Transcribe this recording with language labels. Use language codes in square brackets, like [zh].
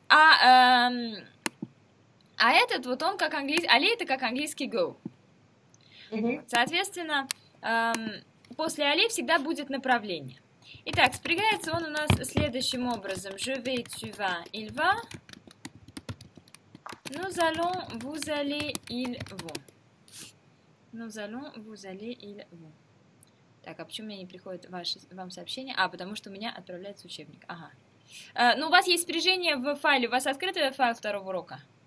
[ru] А этот вот он как английский, але это как английский go. Mm-hmm. Соответственно, после але всегда будет направление. Итак, спрягается он у нас следующим образом. [fr] Je vais, tu vas, il va. Nous allons, vous allez, ils vont. Nous allons, vous allez, il va. [ru] Так, а почему мне не приходит вам сообщение? А, потому что у меня отправляется учебник. Ага. Ну, у вас есть спряжение в файле. У вас открытый файл второго урока?